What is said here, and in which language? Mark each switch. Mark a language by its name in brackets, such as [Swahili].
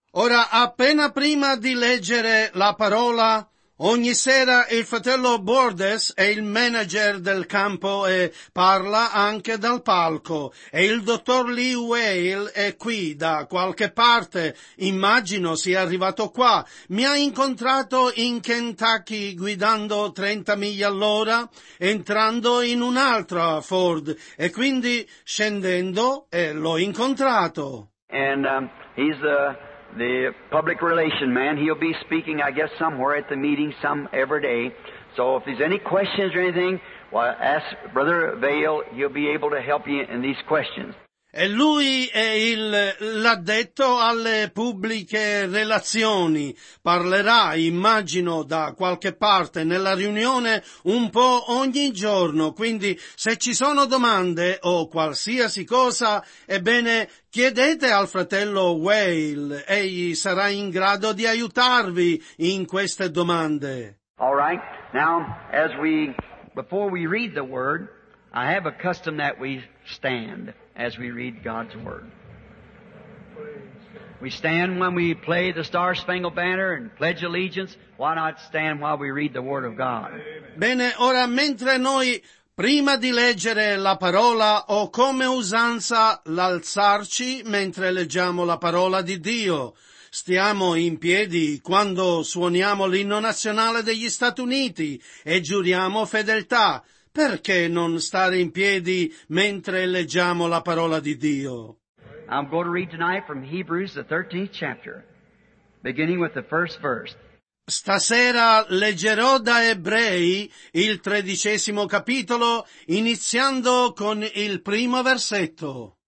[Italian] Ora, appena prima di leggere la parola, ogni sera il fratello Bordes è il manager del campo e parla anche dal palco. E il dottor Lee Whale è qui da qualche parte. Immagino sia arrivato qua. Mi ha incontrato in Kentucky guidando 30 miglia all'ora, entrando in un'altra Ford. E quindi scendendo e l'ho incontrato. [English] And he's the public relation man, he'll be speaking, I guess, somewhere at the meeting some every day. So if there's any questions or anything, well, ask Brother Vail, he'll be able to help you in these questions. [Italian] E lui è l'addetto alle pubbliche relazioni. Parlerà, immagino, da qualche parte nella riunione un po' ogni giorno. Quindi se ci sono domande o qualsiasi cosa, ebbene chiedete al fratello Whale. Egli sarà in grado di aiutarvi in queste domande. [English] All right. Now, before we read the word, I have a custom that we stand as we read God's Word. We stand when we play the Star Spangled Banner and pledge allegiance. Why not stand while we read the Word of God? [Italian] Bene, ora mentre noi Prima di leggere la parola ho come usanza l'alzarci mentre leggiamo la parola di Dio. Stiamo in piedi quando suoniamo l'inno nazionale degli Stati Uniti e giuriamo fedeltà. Perché non stare in piedi mentre leggiamo la parola di Dio? [English] I'm going to read tonight from Hebrews, the 13th chapter, beginning with the first verse. [Italian] Stasera leggerò da Ebrei il 13° capitolo, iniziando con il primo versetto.